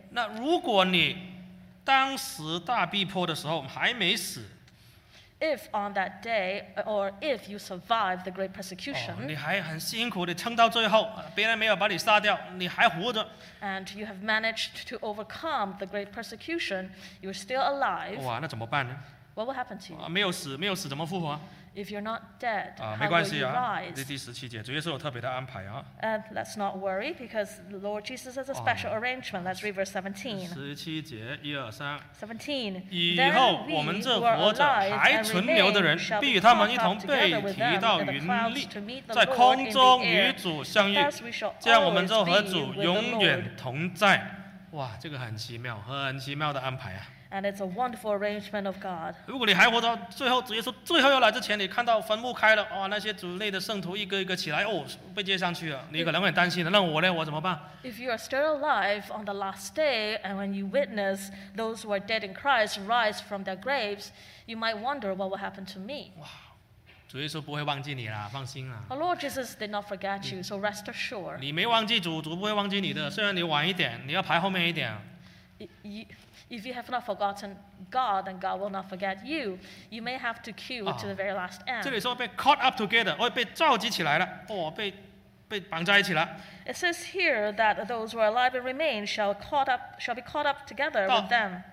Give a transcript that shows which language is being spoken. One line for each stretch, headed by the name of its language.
Chinese: 那如果你当时大逼迫的时候还没死。
English: If on that day, or if you survive the great persecution,
Chinese: 哦，你还很辛苦，你撑到最后，别人没有把你杀掉，你还活着。
English: And you have managed to overcome the great persecution, you're still alive.
Chinese: 哇，那怎么办呢？
English: What will happen to you?
Chinese: 啊，没有死，没有死，怎么复活？
English: If you're not dead,
Chinese: 啊，没关系啊。
English: how will you rise?
Chinese: 第17节，主耶稣有特别的安排啊。
English: And let's not worry, because the Lord Jesus has a special arrangement. Let's read verse 17.
Chinese: 17节，一二三。
English: 17.
Chinese: 以后我们这活着还存留的人，必与他们一同被提到云里，在空中与主相遇，这样我们就和主永远同在。哇，这个很奇妙，很奇妙的安排啊。
English: And it's a wonderful arrangement of God.
Chinese: 如果你还活到最后，主耶稣最后要来之前，你看到坟墓开了，哇，那些主内的圣徒一个一个起来，哦，被接上去了，你可能会担心的。那我呢？我怎么办
English: ？If you are still alive on the last day, and when you witness those who are dead in Christ rise from their graves, you might wonder what will happen to me.
Chinese: 哇，主耶稣不会忘记你啦，放心啦。
English: The Lord Jesus did not forget you, so rest assured.
Chinese: 你没忘记主，主不会忘记你的。虽然你晚一点，你要排后面一点。
English: If you have not forgotten God, then God will not forget you. You may have to queue to the very last end.
Chinese: 这里说被
English: caught up together,
Chinese: 哦，被召集起来了，哦，被绑在一起了。
English: It says here that those who are alive and remain shall be caught up together with them.